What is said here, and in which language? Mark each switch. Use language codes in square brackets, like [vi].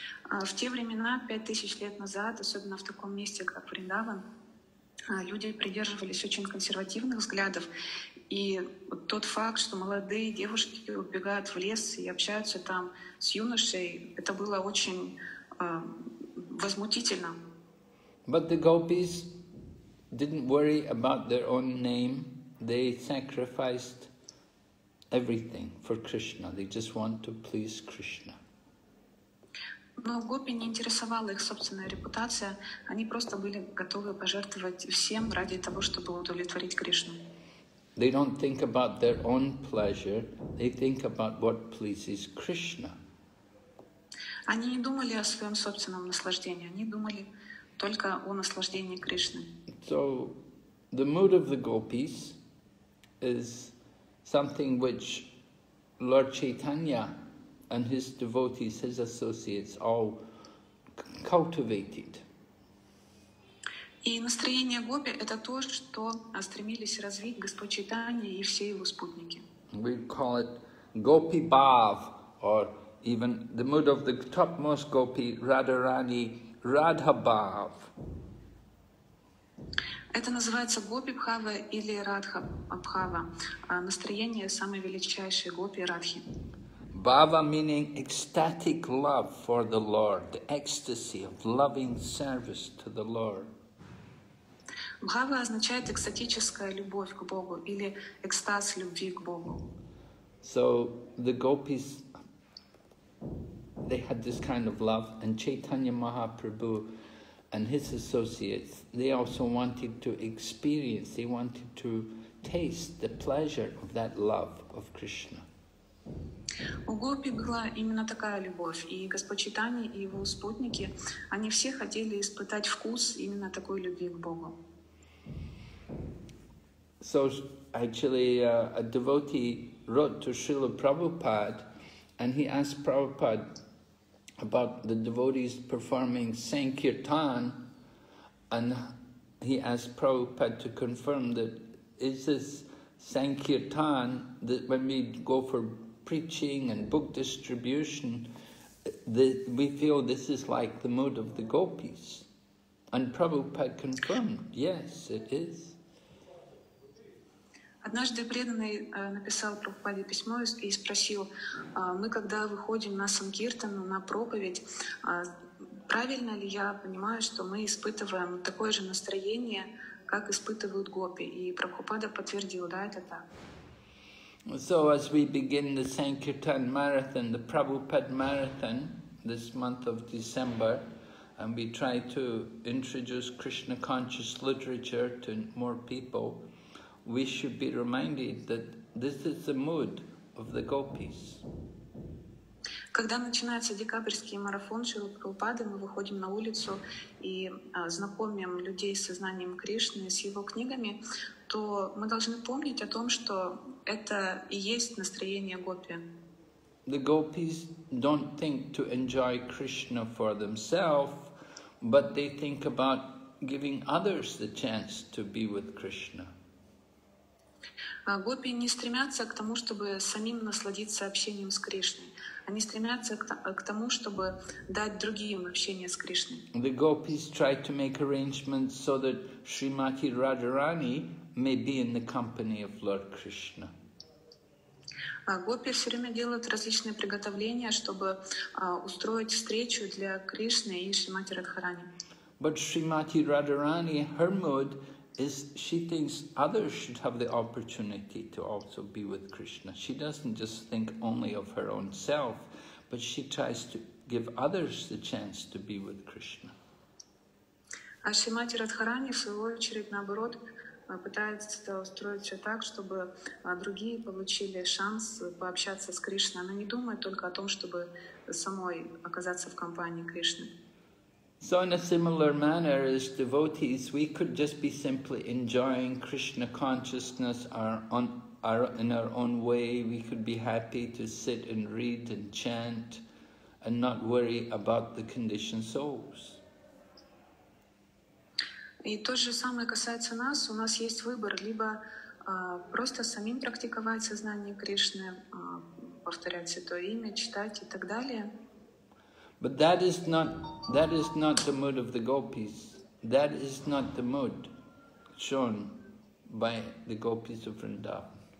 [ru] В те времена, 5000 лет назад, особенно в таком месте, как Вриндаван, люди придерживались очень консервативных взглядов, и тот факт, что молодые девушки убегают в лес и общаются там с юношей, это было очень возмутительно. [en] But the gopis didn't worry about their own name. They sacrificed everything for Krishna. They just want to please Krishna. [ru] Но гопи не интересовала их собственная репутация. Они просто были готовы пожертвовать всем ради того, чтобы удовлетворить Кришну. [en] They don't think about their own pleasure. They think about what pleases Krishna. [ru] Они не думали о своем собственном наслаждении. Они думали только о наслаждении Кришны. [en] So, the mood of the gopis is something which Lord Chaitanya and his devotees, his associates, all cultivated. [ru] И настроение гопи — это то, что стремились развить Господь Чайтанья и все его спутники. [en] We call it gopi bhav, or even the mood of the topmost gopi, Radharani, Radha bhav. [ru] Это называется гопи бхава или радха бхава, настроение самой величайшей гопи радхи. [en] Бхава meaning ecstatic love for the Lord, the ecstasy of loving service to the Lord. [ru] Бхава означает экстатическая любовь к Богу или экстаз любви к Богу. [en] So the gopis, they had this kind of love, and Chaitanya Mahaprabhu and his associates, they also wanted to experience, they wanted to taste the pleasure of that love of Krishna. [ru] У гопи была именно такая любовь, и Господь Чайтанья и его спутники, они все хотели испытать вкус именно такой любви к Богу. [en] So actually a devotee wrote to Srila Prabhupada, and he asked Prabhupada about the devotees performing Sankirtan, and he asked Prabhupada to confirm that is this Sankirtan, that when we go for preaching and book distribution, we feel this is like the mood of the gopis. And Prabhupada confirmed, yes, it is. [ru] Однажды преданный написал Прабхупаде письмо и спросил, мы когда выходим на Санкиртану, на проповедь, правильно ли я понимаю, что мы испытываем такое же настроение, как испытывают гопи? И Прабхупада подтвердил, да, это так. [en] So as we begin the Sankirtan marathon, the Prabhupada marathon, this month of December, and we try to introduce Krishna conscious literature to more people, we should be reminded that this is the mood of the gopis. [ru] Когда начинается декабрьский марафон Шрилы Прабхупады, мы выходим на улицу и знакомим людей с сознанием Кришны, с его книгами, то мы должны помнить о том, что это и есть настроение гопи. [en] The gopis don't think to enjoy Krishna for themselves, but they think about giving others the chance to be with Krishna. [ru] Гопи не стремятся к тому, чтобы самим насладиться общением с Кришной. Они стремятся к тому, чтобы дать другим общение с Кришной. [en] The gopis try to make arrangements so that Srimati Radharani may be in the company of Lord Krishna. [ru] Гопи все время делают различные приготовления, чтобы устроить встречу для Кришны и Шримати Радхарани. [en] But Srimati Radharani, her mood is she thinks others should have the opportunity to also be with Krishna. She doesn't just think only of her own self, but she tries to give others the chance to be with Krishna. [ru] А Шримати Радхарани, в свою очередь, наоборот, пытается устроить все так, чтобы другие получили шанс пообщаться с Кришной. Она не думает только о том, чтобы самой оказаться в компании Кришны. [en] So in a similar manner as devotees, we could just be simply enjoying Krishna consciousness in our own way. We could be happy to sit and read and chant and not worry about the conditioned souls. [ru] И то же самое касается нас. У нас есть выбор, либо просто самим практиковать сознание Кришны, повторять Святое Имя, читать и так далее. [en] But that is not the mood of the gopis. That is not the mood shown by the gopis of Vrindavan.